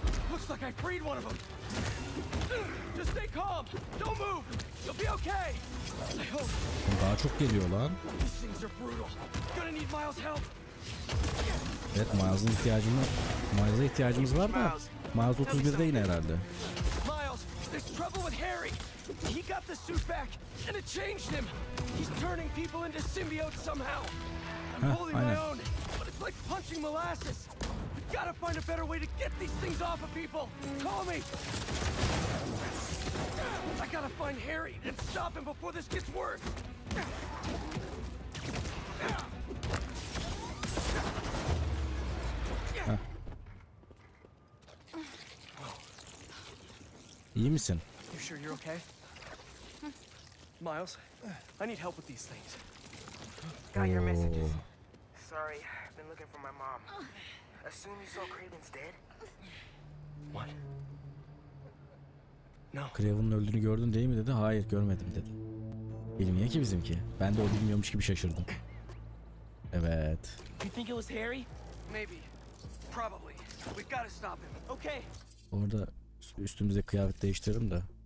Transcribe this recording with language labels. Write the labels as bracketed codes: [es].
[en] Looks like I freed one of them. Just stay calm. Don't move. You'll be okay. I hope. [tr] Daha çok geliyor lan. [en] These things are brutal. Gonna need Miles' help. [tr] Evet, Miles'ın ihtiyacını, Miles'a ihtiyacımız var mı? Miles 31'de yine herhalde. [en] Miles, there's trouble with Harry. He got the suit back and it changed him. He's turning people into symbiotes somehow. I'm holding my own, but it's like punching molasses. We gotta find a better way to get these things off of people. Call me. I gotta find Harry and stop him before this gets worse. [tr] İyi misin? [en] You sure you're okay? Miles, I need help with these things. Got your messages. Sorry, I've been looking for my mom. Assume you saw Craven's dead? What? No. [tr] Craven'ın öldüğünü gördün değil mi dedi? Hayır, görmedim dedi. Bilmiyor ki bizimki. Ben de o bilmiyormuş gibi şaşırdım. Evet. [en] You think it was Harry? Maybe. Probably. We've got to stop him. Okay. [tr] Orada üstümüze kıyafet değiştirelim de.